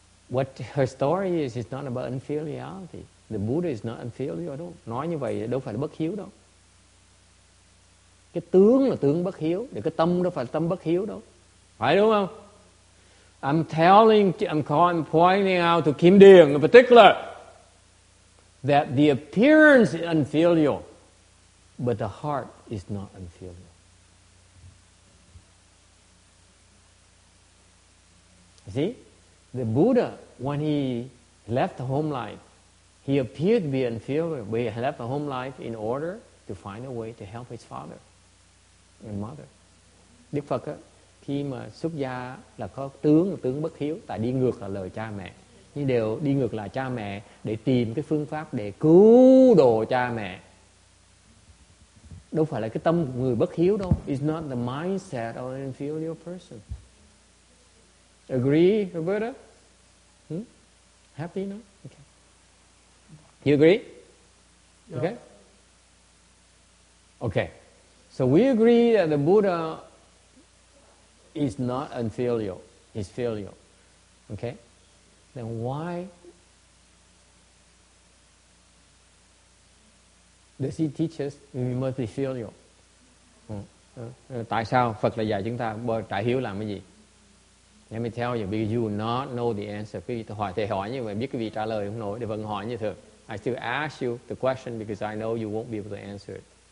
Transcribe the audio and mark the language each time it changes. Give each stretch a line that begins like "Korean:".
English: What her story is not about unfiliality. The Buddha is not unfilial at all.
Vietnamese: Nói như vậy đâu phải là bất hiếu đâu. Cái tướng là tướng bất hiếu, để cái tâm đâu phải là tâm bất hiếu đâu. Phải đúng không?
English: I'm pointing out to Kim Dieng in particular that the appearance is unfilial, but the heart is not unfilial. See? The Buddha, when he left the home life, he appeared to be unfilial, but he left the home life in order to find a way to help his father and mother.
Vietnamese: Đức Phật á, khi mà xuất gia là có tướng, là tướng bất hiếu, tại đi ngược là lời cha mẹ. Nhưng đều đi ngược lại cha mẹ để tìm cái phương pháp để cứu độ cha mẹ. Đâu phải là cái tâm của người bất hiếu đâu.
English: It's not the mindset of an inferior person. Agree, Roberta? Happy, no? Okay. You agree? Yeah. Okay. Okay. So we agree that the Buddha is not unfilial, he's filial. Okay? Then why does he teach us we must be filial?
Vietnamese: Tại sao Phật lại dạy chúng ta trải hiếu làm cái gì?
English: Let me tell you, because you will not know the answer.
Vietnamese: Quý vị hỏi, thầy hỏi như vậy, biết cái vị trả lời không nổi, thì vẫn hỏi như thường.
English: I still ask you the question because I know you won't be able to answer it.